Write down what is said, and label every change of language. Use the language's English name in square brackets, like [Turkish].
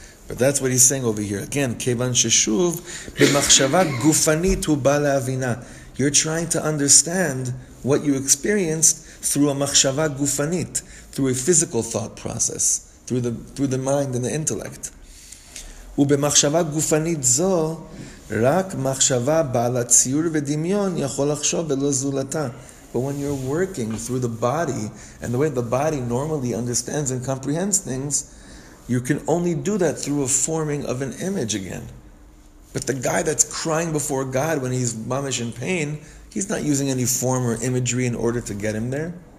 [English] But that's what he's saying over here. Again, [Hebrew] Kevan Sheshuv, b'machshava gufanit hu ba le'avina. [English] You're trying to understand what you experienced through a [Hebrew] machshava gufanit, [English] through a physical thought process, through the mind and the intellect. [Hebrew] ובמחשבה גופנית זו, רק מחשבה בעל הציור ודמיון יכול לחשוב ולא זולתה. [English] But when you're working through the body and the way the body normally understands and comprehends things, you can only do that through a forming of an image again. But the guy that's crying before God when he's mamish in pain, he's not using any form or imagery in order to get him there.